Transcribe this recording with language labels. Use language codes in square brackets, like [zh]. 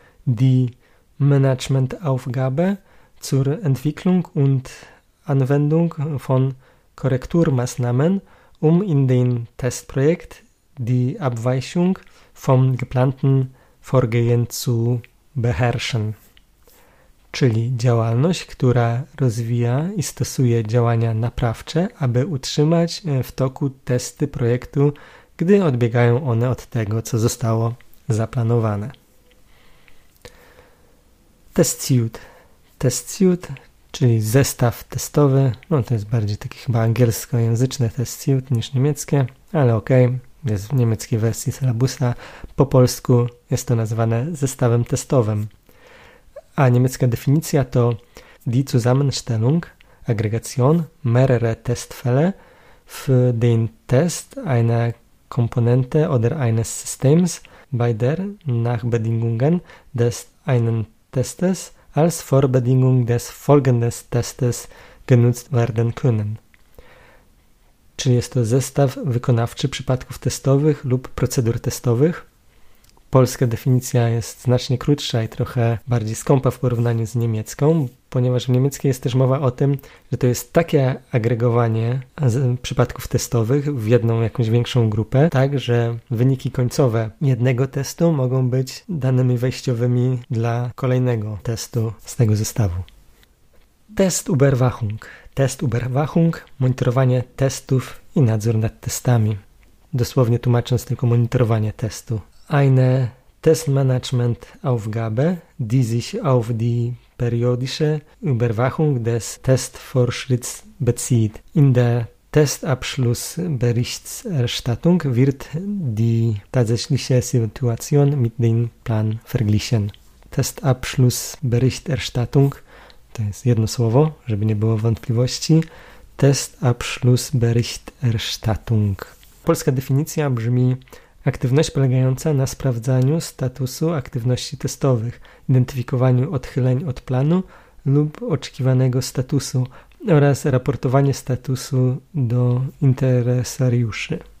[de] Die Managementaufgabe zur Entwicklung und Anwendung von Korrekturmaßnahmen, um in den Testprojekt die Abweichung vom geplanten Vorgehen zu beherrschen. [pl] Czyli działalność, która rozwija i stosuje działania naprawcze, aby utrzymać w toku testy projektu, gdy odbiegają one od tego, co zostało zaplanowane. Test suite, czyli zestaw testowy, no to jest bardziej takie chyba angielskojęzyczne test suite niż niemieckie, ale okej, jest w niemieckiej wersji syllabusa, po polsku jest to nazwane zestawem testowym. A niemiecka definicja to [de] die Zusammenstellung, Aggregation, mehrere Testfälle für den Test einer Komponente oder eines Systems, bei der nach Bedingungen des einen Testes als Vorbedingung des folgenden Testes genutzt werden können. [pl] Czyli jest to zestaw wykonawczy przypadków testowych lub procedur testowych. Polska definicja jest znacznie krótsza i trochę bardziej skąpa w porównaniu z niemiecką, ponieważ w niemieckiej jest też mowa o tym, że to jest takie agregowanie przypadków testowych w jedną jakąś większą grupę, tak, że wyniki końcowe jednego testu mogą być danymi wejściowymi dla kolejnego testu z tego zestawu. Test Überwachung, monitorowanie testów i nadzór nad testami. Dosłownie tłumacząc tylko monitorowanie testu. [de] Eine Testmanagementaufgabe, die sich auf die periodische Überwachung des Testfortschritts bezieht. In der Testabschlussberichterstattung wird die tatsächliche Situation mit dem Plan verglichen. [pl] Testabschlussberichterstattung, to jest jedno słowo, żeby nie było wątpliwości. [de] Testabschlussberichterstattung. [pl] Polska definicja brzmi: aktywność polegająca na sprawdzaniu statusu aktywności testowych, identyfikowaniu odchyleń od planu lub oczekiwanego statusu oraz raportowanie statusu do interesariuszy.